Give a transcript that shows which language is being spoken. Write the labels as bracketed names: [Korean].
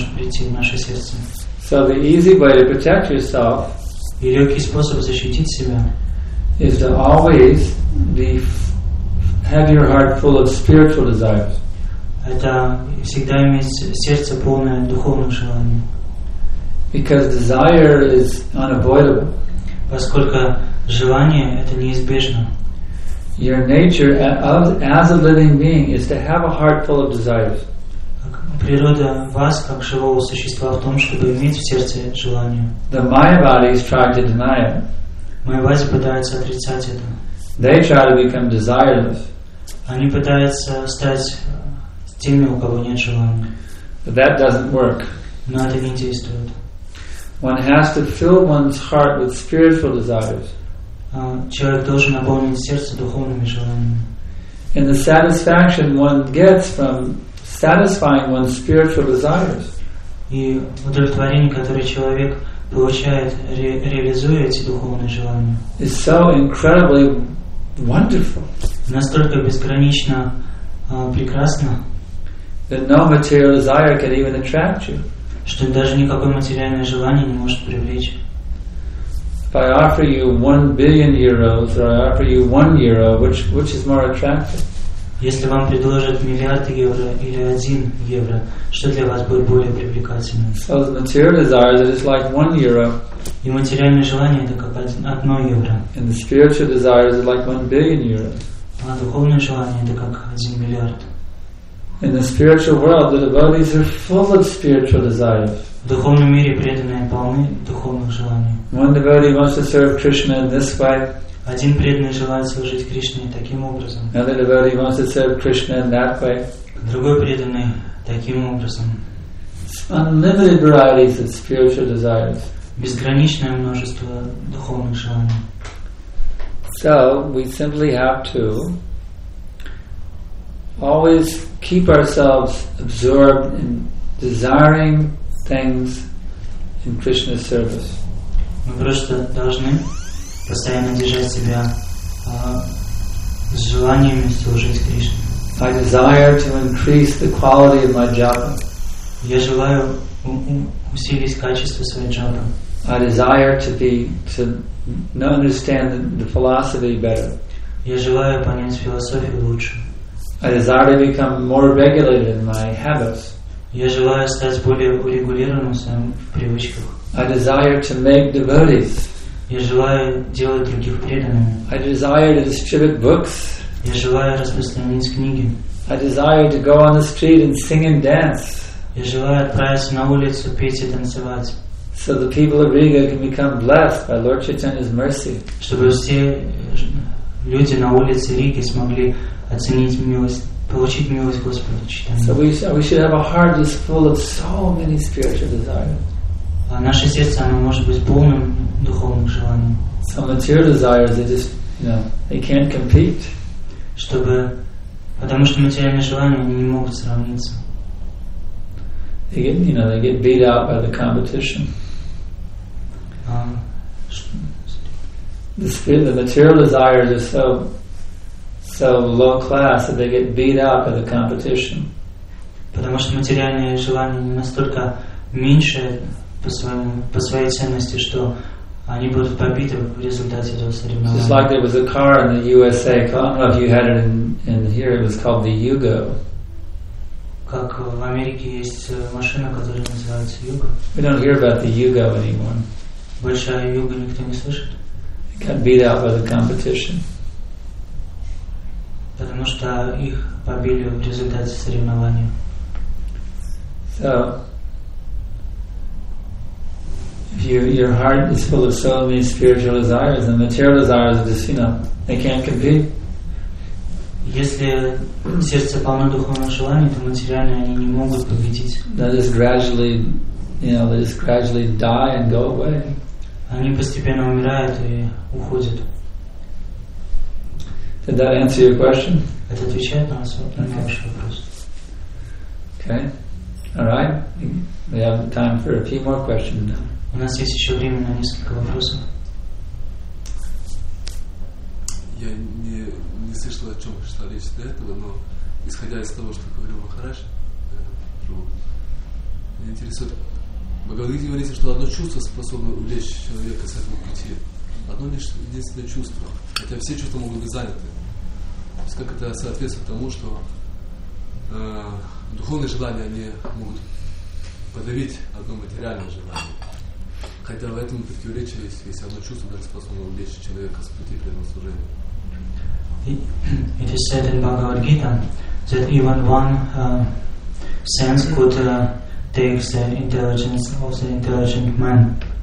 [English] So the easy way to protect yourself is to always be have your heart full of spiritual desires. [Russian] Это всегда иметь сердце полное духовных желаний. [English] Because desire is unavoidable. [Russian] Поскольку желание это неизбежно. [English] Your nature as a living being is to have a heart full of desires. [Russian] Природа вас как живого существа в том, чтобы иметь в сердце желание. [English] The Maya body is trying to deny it. [Russian] Моя власть пытается отрицать это. [English] They try to become desireless. [Russian] Они пытаются стать теми, у кого нет желания. [English] But that doesn't work. [Russian] Но это не действует. [English] One has to fill one's heart with spiritual desires. [Russian] Человек должен наполнить сердце духовными желаниями. [English] And the satisfaction one gets from satisfying one's spiritual desires. [Russian] И удовлетворение, которое человек получает, реализуя эти духовные желания. [English] Is so incredibly wonderful. [Russian] Настолько безгранично прекрасно. [English] That no material desire can even attract you. [Russian] Что даже никакое материальное желание не может привлечь. [English] If I offer you 1 billion euros or I offer you 1 euro, which is more attractive? [Russian] Если вам предложат миллиард евро или 1 евро, что для вас будет более привлекательным? [English] So the material desire is like 1 euro. [Russian] И материальное желание это как 1 евро. [English] And the spiritual desire is like 1 billion euros. [Russian] А духовное желание это как 1 миллиард. [English] In the spiritual world, the devotees are full of spiritual desires. [Russian] В духовном мире преданные полны духовных желаний. [English] One devotee wants to serve Krishna in this way. [Russian] Один преданный желает служить Кришне таким образом. [English] Another devotee wants to serve Krishna in that way. [Russian] Другой преданный таким образом. [English] Unlimited varieties of spiritual desires. [Russian] Безграничное множество духовных желаний. [English] So we simply have to always keep ourselves absorbed in desiring things in Krishna's service. [Russian] Мы просто должны постоянно держать себя желаниями служить Кришне. [English] I desire to increase the quality of my japa. [Russian] Я желаю усилить качество своей джапы. [English] I desire to understand the philosophy better. [Russian] Я желаю понять философию лучше. [English] I desire to become more regulated in my habits. [Russian] Я желаю стать более урегулированным в привычках. [English] I desire to make devotees. [Russian] Я желаю делать других преданными. [English] I desire to distribute books. [Russian] Я желаю распространять книги. [English] I desire to go on the street and sing and dance. [Russian] Я желаю отправиться на улицу петь и танцевать. [English] So the people of Riga can become blessed by Lord Chaitanya's mercy. [Russian] Чтобы все люди на улице Риги смогли оценить милость, получить милость Господа Читания. [English] So we should have a heart that's full of so many spiritual desires. [Russian] А наше сердце оно может быть полным духовных желаний. [English] So material desires, they just, they can't compete. [Russian] Чтобы, потому что материальные желания они не могут сравниться. [English] They get, they get beat out by the competition. The material desires are so low class that they get beat out by the competition. [Russian] Потому что материальные желания не настолько меньше по своей ценности, что они будут побиты в результате этого соревнования. [English] Just like there was a car in the USA, I don't know if you had it in here, it was called the Yugo. [Russian] Как в Америке есть машина, которая называется Yugo. [English] We don't hear about the Yugo anymore. [Russian] Больше о Yugo никто не слышит. [English] It got beat out by the competition. [Russian] Потому что их побили в результате соревнований. [English] So, if your heart is full of so many spiritual desires, and material desires are just, they can't compete. [Russian] Если сердце полно духовных желаний, то материальные они не могут победить. [English] They just gradually, they just gradually die and go away. [Russian] Они постепенно умирают и уходят. [English] Did that answer your question? [Russian] Это отвечает на ваш вопрос. [English] Okay. All right. We have time for a few more questions now. [Russian] У нас есть еще время на несколько вопросов. Я не слышал, о чем шла речь до этого, но исходя из того, что говорил Махарадж, Меня интересует. Бхагавадгита говорит, что одно чувство способно увлечь человека с этого пути. Одно лишь единственное чувство. Хотя все чувства могут быть заняты. То есть как это соответствует тому, что духовные желания они могут подавить одно материальное желание. Хотя в этом противоречие есть, если одно чувство даже способно увлечь человека с пути преданного служения. [English] It is said in Bhagavad Gita that even one sense could take the intelligence of the intelligent man.